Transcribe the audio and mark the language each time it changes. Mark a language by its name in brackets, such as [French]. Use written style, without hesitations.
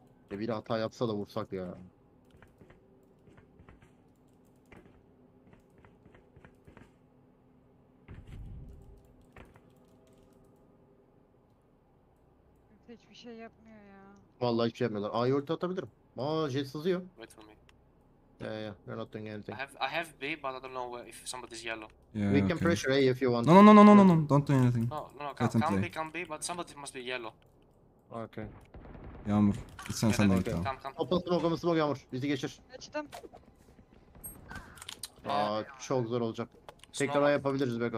[Turkish] Bir hata yapsa da vursak ya. Hiçbir şey yapmıyor ya. Vallahi hiçbir şey yapmıyorlar. A'yı ulti atabilirim. Aa, jet sızıyor. [English] Wait for me. Yeah, you're not doing anything. I have B, but I don't know if somebody's yellow. Yeah, we okay. Can pressure A if you want. No. Don't do anything. No, can't B, but somebody must be yellow. Okay. [Turkish] Yağmur, gitsene sen de ulti al. Smoke Yağmur, bizi geçir. Geçtim. Aa, çok zor olacak. Tekrar A yapabiliriz Beko.